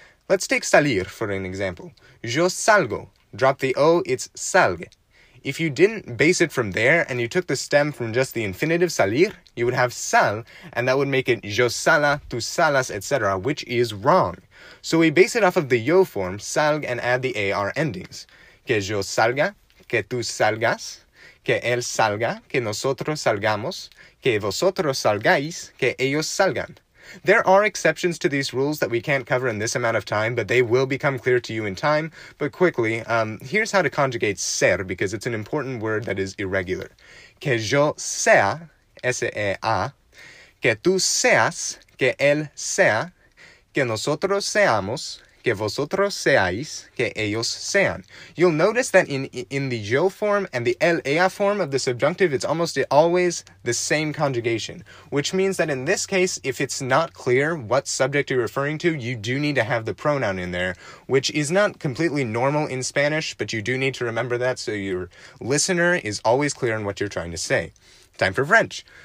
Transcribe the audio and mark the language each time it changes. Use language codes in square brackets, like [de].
[en] Let's take salir for an example. [es] Yo salgo. [en] Drop the O, it's salgue. If you didn't base it from there and you took the stem from just the infinitive salir, you would have sal, and that would make it [es] yo sala, tu salas, [en] etc., which is wrong. So we base it off of the yo form, salg, and add the AR endings. [es] Que yo salga, que tú salgas, que él salga, que nosotros salgamos, que vosotros salgáis, que ellos salgan. [en] There are exceptions to these rules that we can't cover in this amount of time, but they will become clear to you in time. But quickly, here's how to conjugate ser, because it's an important word that is irregular. [es] Que yo sea, S-E-A, que tú seas, que él sea, que nosotros seamos, que vosotros seáis, que ellos sean. [en] You'll notice that in the yo form and the el ella form of the subjunctive, it's almost always the same conjugation, which means that in this case, if it's not clear what subject you're referring to, you do need to have the pronoun in there, which is not completely normal in Spanish, but you do need to remember that so your listener is always clear on what you're trying to say. Time for French.